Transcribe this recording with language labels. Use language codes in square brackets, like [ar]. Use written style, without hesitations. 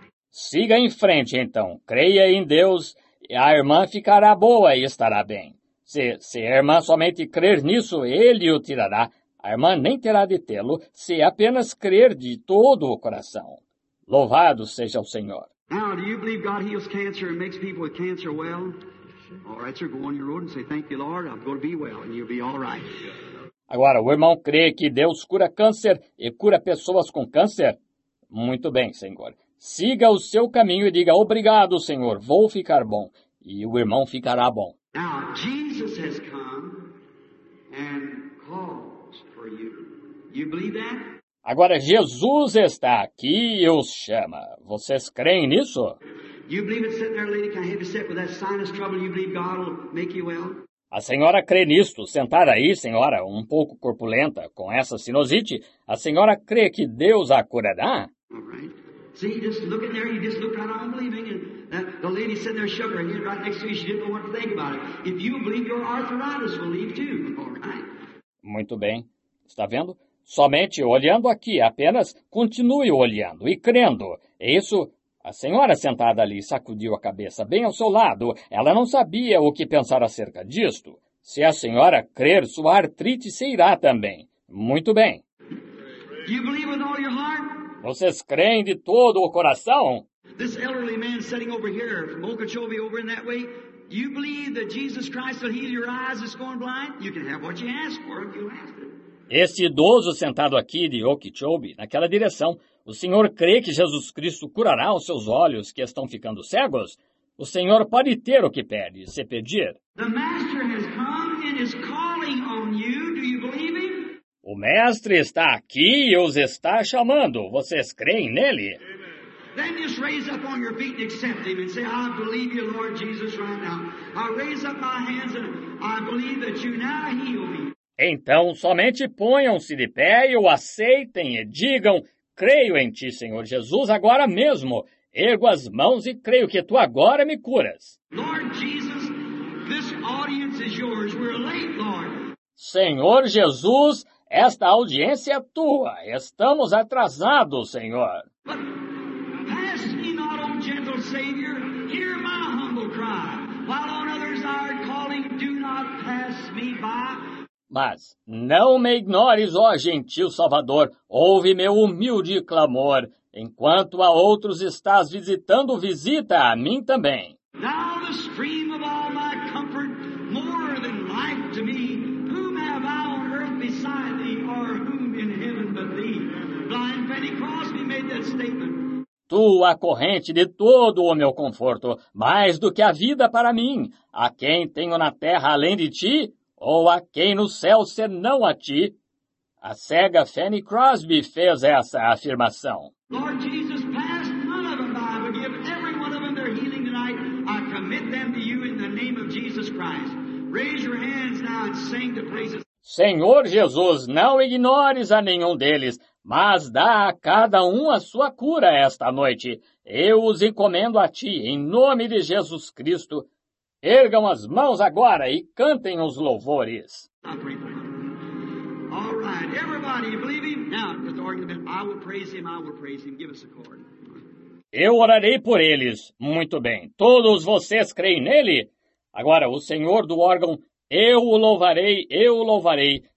[pt] Siga em frente, então. Creia em Deus e a irmã ficará boa e estará bem. Se a irmã somente crer nisso, ele o tirará. A irmã nem terá de tê-lo, se apenas crer de todo o coração. Louvado seja o Senhor. [en] Now, do you believe God heals cancer and makes people with cancer well? All right, sir, go on your road and say, thank you, Lord, I'm going to be well, and you'll be all right. [pt] Agora, o irmão crê que Deus cura câncer e cura pessoas com câncer? Muito bem, Senhor. Siga o seu caminho e diga, obrigado, Senhor, vou ficar bom. E o irmão ficará bom. [en] Now, Jesus has come and called. You believe that? [pt] Agora Jesus está aqui e os chama. Vocês creem nisso? [en] You believe it's sitting there, lady? Can I have you sit with that sinus trouble? You believe God will make you well? [pt] A senhora crê nisto? Sentada aí, senhora, um pouco corpulenta, com essa sinusite, a senhora crê que Deus a curará? [en] All right. See, just look in there. You just look right on believing, and the lady sitting there shook her head right next to you. She didn't know what to think about it. If you believe, your arthritis will leave too. All right. [pt] Muito bem. Está vendo? Somente olhando aqui, apenas continue olhando e crendo. Isso, a senhora sentada ali sacudiu a cabeça bem ao seu lado. Ela não sabia o que pensar acerca disto. Se a senhora crer, sua artrite se irá também. Muito bem. [en] Do you believe with all your heart? [pt] Vocês creem de todo o coração? [en] This elderly man sitting over here, from Okeechobee, over in that way, you believe that Jesus Christ will heal your eyes that's going blind? You can have what you ask for if you ask it. [pt] Este idoso sentado aqui de Okeechobee, naquela direção, o senhor crê que Jesus Cristo curará os seus olhos que estão ficando cegos? O senhor pode ter o que pede, se pedir. [en] The master has come and is calling on you. Do you believe him? [pt] O mestre está aqui e os está chamando. Vocês creem nele? [en] Then just raise up on your feet and accept him and say, I believe you, Lord Jesus, right now. I raise up my hands and I believe that you now heal me. [pt] Então, somente ponham-se de pé e o aceitem e digam, creio em ti, Senhor Jesus, agora mesmo. Ergo as mãos e creio que tu agora me curas. [en] Lord Jesus, this audience is yours. We're late, Lord. [pt] Senhor Jesus, esta audiência é tua. Estamos atrasados, Senhor. [en] But pass me not, O gentle Savior, hear my humble cry. While on others are calling, do not pass me by. [pt] Mas não me ignores, ó gentil Salvador, ouve meu humilde clamor. Enquanto a outros estás visitando, visita a mim também. [en] Now the stream of all my comfort, more than life to me. Whom have I on earth beside thee, or whom in heaven but thee? Blind Fanny Crosby made that statement. [pt] Tu a corrente de todo o meu conforto, mais do que a vida para mim. A quem tenho na terra além de ti? Ou a quem no céu senão a ti? A cega Fanny Crosby fez essa afirmação. [en] Lord Jesus, pass none of them by, but give every one of them their healing tonight. I commit them to you in the name of Jesus Christ. Raise your hands now and sing the praises. [pt] Senhor Jesus, não ignores a nenhum deles, mas dá a cada um a sua cura esta noite. Eu os encomendo a ti, em nome de Jesus Cristo. Ergam as mãos agora e cantem os louvores. [en] All right, everybody, you believe him? Now, with the argument, I will praise him, I will praise him. Give us a chord. [pt] Eu orarei por eles. Muito bem. Todos vocês creem nele? Agora, o senhor do órgão, eu o louvarei.